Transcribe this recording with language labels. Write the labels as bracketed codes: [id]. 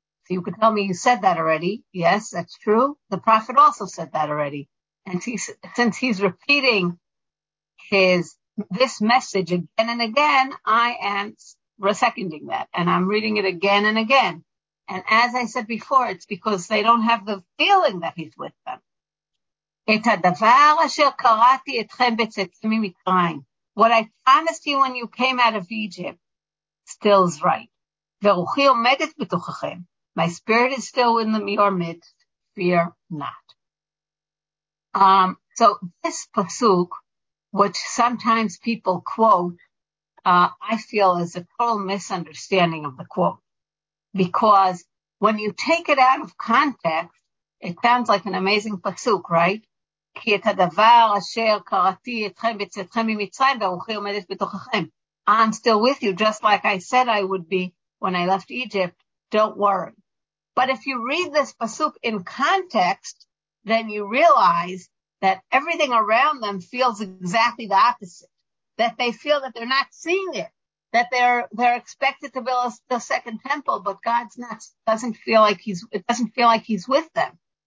[en] So you could tell me you said that already. Yes, that's true. The prophet also said that already. And since he's repeating this message again and again, I am seconding that. And I'm reading it again and again. And as I said before, it's because they don't have the feeling that he's with them. [he] את הדבר אשר קראתי אתכם בצאתכם ממצרים. [en] What I promised you when you came out of Egypt still is right. [he] ורוחי עומדת בתוככם. [en] My spirit is still in your midst. Fear not. So this pasuk, which sometimes people quote, I feel is a total misunderstanding of the quote. Because when you take it out of context, it sounds like an amazing pasuk, right? [he] כי את הדבר אשר קראתי אתכם בצאתכם ממצרים ורוחי עומדת בתוככם. [en] I'm still with you, just like I said I would be when I left Egypt. Don't worry. But if you read this pasuk in context, then you realize that everything around them feels exactly the opposite. That they feel that they're not seeing it. That they're expected to build the second temple, but God's not, doesn't feel like he's with them.